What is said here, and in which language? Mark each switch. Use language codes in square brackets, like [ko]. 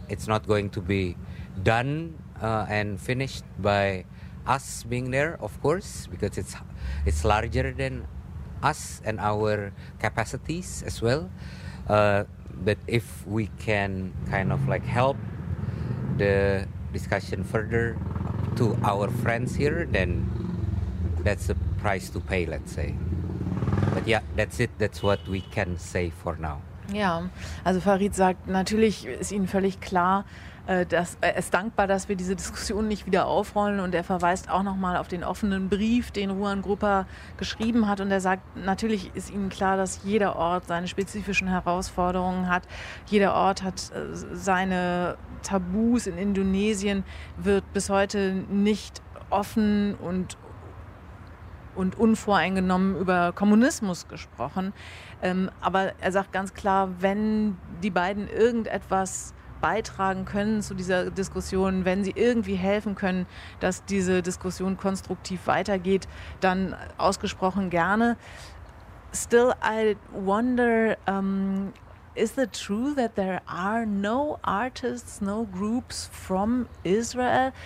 [en] It's not going to be done and finished by us being there, of course, because it's larger than us and our capacities as well. But if we can kind of like help the discussion further to our friends here, then that's a price to pay, let's say. But yeah, that's it. That's what we can say for now. [de] Ja, also Farid sagt, natürlich ist Ihnen völlig klar, dass er ist dankbar, dass wir diese Diskussion nicht wieder aufrollen. Und er verweist auch nochmal auf den offenen Brief, den Juan Grupa geschrieben hat. Und er sagt, natürlich ist Ihnen klar, dass jeder Ort seine spezifischen Herausforderungen hat. Jeder Ort hat seine Tabus. In Indonesien wird bis heute nicht offen und unvoreingenommen über Kommunismus gesprochen. Aber er sagt ganz klar, wenn die beiden irgendetwas beitragen können zu dieser Diskussion, wenn sie irgendwie helfen können, dass diese Diskussion konstruktiv weitergeht, dann ausgesprochen gerne. [en] Still, I wonder, is it true that there are no artists, no groups from Israel?